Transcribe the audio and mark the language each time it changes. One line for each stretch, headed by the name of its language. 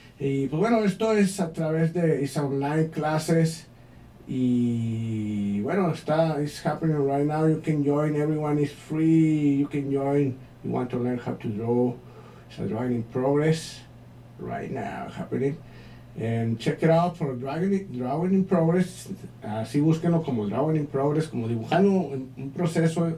Spanish: Y pues bueno, esto es a través de esas online classes. Y bueno, está,
English: it's happening right now. You can join, everyone is free. You can join. You want to learn how to draw. It's a drawing in progress right now, happening. And check it out for drawing in progress.
Spanish: Así búsquenlo como drawing in progress, como dibujando un proceso.